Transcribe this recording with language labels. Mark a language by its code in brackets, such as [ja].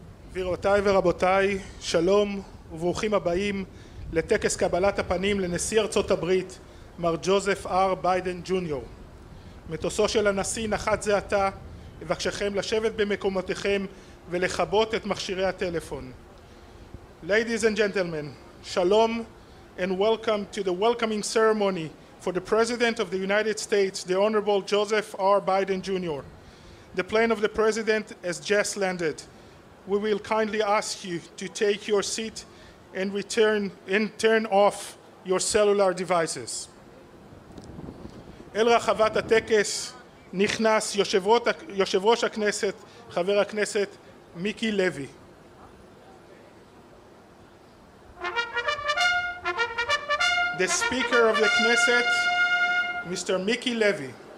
[he] גבירותיי ורבותיי, שלום וברוכים הבאים לטקס קבלת הפנים לנשיא ארצות הברית, מר ג'וזף אר ביידן ג'וניור. מטוסו של הנשיא נחת זה עתה, אבקשכם לשבת במקומותיכם ולכבות את מכשירי הטלפון. [en] Ladies and gentlemen, שלום and welcome to the welcoming ceremony for the President of the United States, the Honorable Joseph R. Biden Jr. The plane of the President has just landed. We will kindly ask you to take your seat and return and turn off your cellular devices. [he] אל רחבת הטקס נכנס יושב ראש הכנסת, חבר הכנסת מיקי לוי. [en] The Speaker of the Knesset, Mr. Mickey Levy.